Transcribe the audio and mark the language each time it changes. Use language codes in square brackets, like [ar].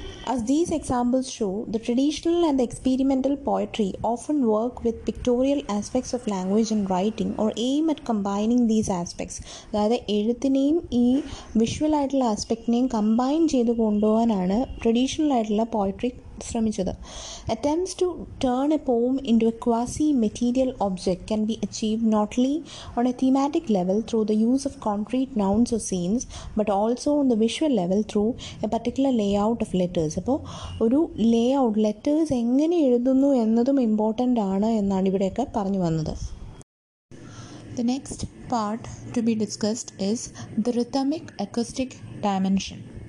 [en] As these examples show the traditional and experimental poetry often work with pictorial aspects of language and writing or aim at combining these aspects. [ml] അതായത് എഴുത്തിനെയും ഈ visual ആയിട്ടുള്ള ആസ്പെക്റ്റിനെയും combine ചെയ്ത് കൊണ്ടുപോകാനാണ് traditional ആയിട്ടുള്ള poetry ശ്രമിച്ചത്. [en] Attempts to turn a poem into a quasi-material object can be achieved not only on a thematic level through the use of concrete nouns or scenes, but also on the visual level through a particular layout of letters. [ml] അപ്പോൾ ഒരു layout, letters എങ്ങനെ എഴുതുന്നു എന്നതും important ആണ് എന്നാണ് ഇവിടെയൊക്കെ പറഞ്ഞു വന്നത്. [en] The next part to be discussed is the rhythmic acoustic dimension.